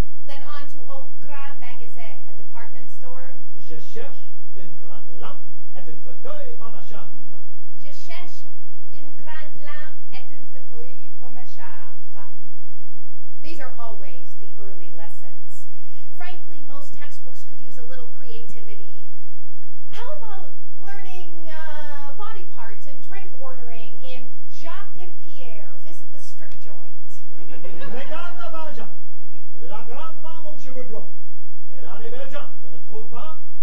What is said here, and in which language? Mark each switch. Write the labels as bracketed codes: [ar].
[en] Then on to au grand magasin, a department store. [fr] Je cherche une grande lampe et un fauteuil pour ma chambre. Je cherche une grande lampe et un fauteuil pour ma chambre. [en] These are always the early lessons. Frankly, most textbooks could use a little creativity. How about learning body parts and drink ordering in Jacques and Pierre visit the strip joint? [fr] Regarde là-bas, Jacques. La grande femme aux cheveux blonds. Elle a des belles jambes, tu ne trouves pas?